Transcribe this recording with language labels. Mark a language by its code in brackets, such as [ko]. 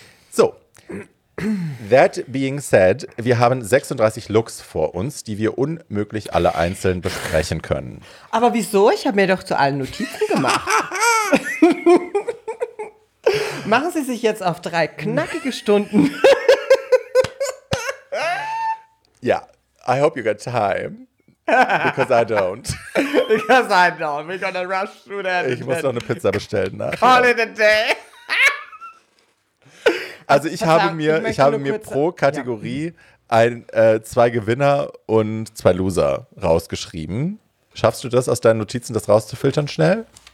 [en] So, that being said, [de] wir haben 36 Looks vor uns, die wir unmöglich alle einzeln besprechen können. Aber wieso? Ich habe mir doch zu allen Notizen gemacht. Machen Sie sich jetzt auf 3 knackige Stunden. Ja. [en] I hope you got time, because I don't. Because I don't. We're gonna rush through that. [de] Ich muss noch eine Pizza bestellen. Nachher. [en] Call it a day. [de] Also ich habe mir pro Kategorie zwei Gewinner und zwei Loser rausgeschrieben. Schaffst du das aus deinen Notizen, das rauszufiltern schnell?